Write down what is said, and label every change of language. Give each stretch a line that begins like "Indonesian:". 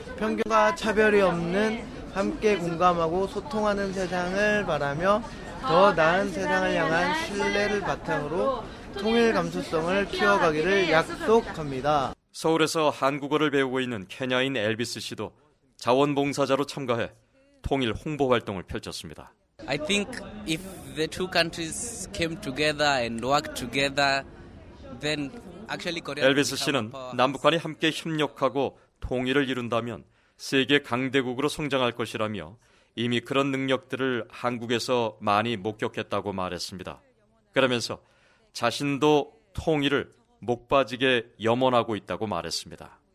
Korean: 편견과 차별이 없는 함께 공감하고 소통하는 세상을 바라며 더 나은 세상을 향한 신뢰를 바탕으로 통일 감수성을 키워가기를 약속합니다. 서울에서 한국어를 배우고 있는 케냐인 엘비스 씨도 자원봉사자로 참가해 통일 홍보 활동을 펼쳤습니다.
English: I think if the two countries came together and worked together, then actually Korea.
Korean: 엘비스 씨는 남북한이 함께 협력하고 통일을 이룬다면 세계 강대국으로 성장할 것이라며 이미 그런 능력들을 한국에서 많이 목격했다고 말했습니다. 그러면서 자신도 통일을 목 빠지게 염원하고 있다고 말했습니다.